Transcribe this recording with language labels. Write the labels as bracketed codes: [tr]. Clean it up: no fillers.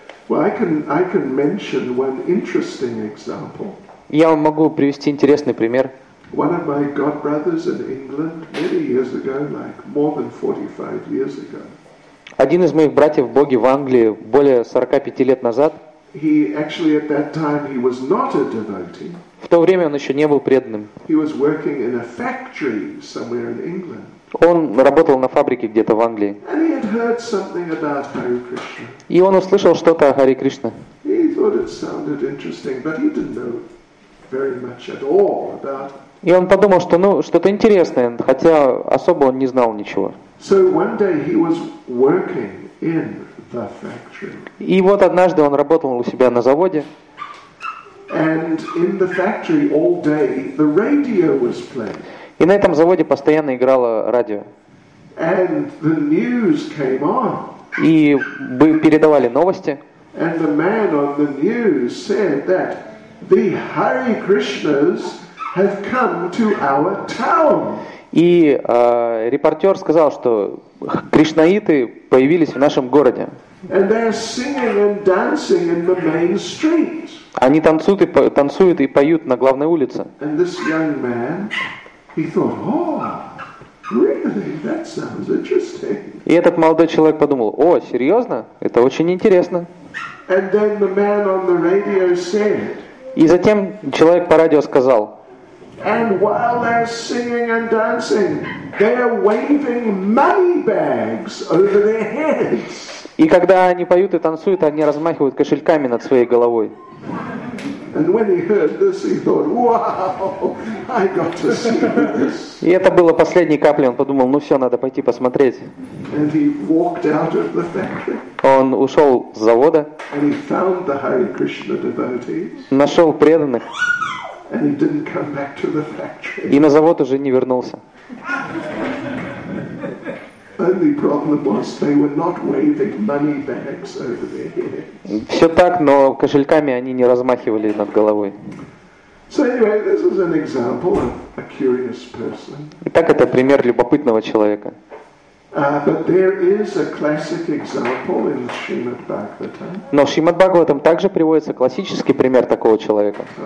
[ru] Я вам могу привести интересный пример. [en] One of my god brothers in England many years ago, like more than 45 years ago. [ru] Один из моих братьев Боги в Англии более 45 лет назад. [en] He actually at that time he was not a devotee. [ru] В то время он еще не был преданным. [en] He was working in a factory somewhere in England. [ru] Он работал на фабрике где-то в Англии. [en] And he had heard something about Hare Krishna. [ru] И он услышал что-то о Харе Кришне. [en] He thought it sounded interesting, but he didn't know very much at all about. [ru] И он подумал, что ну что-то интересное, хотя особо он не знал ничего. [en] So one day he was working in the factory. [ru] И вот однажды он работал у себя на заводе. [en] And in the factory all day the radio was playing. [ru] И на этом заводе постоянно играло радио. [en] And the news came on. [ru] И передавали новости. [en] And the man on the news said that the Hare Krishnas have come to our town. [ru] И репортер сказал, что кришнаиты появились в нашем городе. [en] And they're singing and dancing in the main street. [ru] Они танцуют и поют на главной улице. [en] And this young man, he thought, oh, really? That sounds interesting. [ru] И этот молодой человек подумал, о, серьезно? Это очень интересно. [en] And then the man on the radio said. [ru] И затем человек по радио сказал. [en] And while they're singing and dancing, they're waving money bags over their heads. [ru] И когда они поют и танцуют, они размахивают кошельками над своей головой. [en] And when he heard this, he thought, "Wow, I got to see this." [ru] И это было последней каплей. Он подумал: "Ну все, надо пойти посмотреть." [en] And he walked out of the factory. [ru] Он ушел с завода. [en] And he found the Hare Krishna devotees. [ru] Нашел преданных. [en] And he didn't come back to the factory. [ru] И на завод уже не вернулся. [en] Only problem was they were not waving money bags over their heads. [ru] Все так, но кошельками они не размахивали над головой. [en] So anyway, this is an example of a curious person. [ru] Итак, это пример любопытного человека. [en] But there is a classic example in Srimad Bhagavatam. [ru] Но в Шримад Бхагаватам также приводится классический пример такого человека.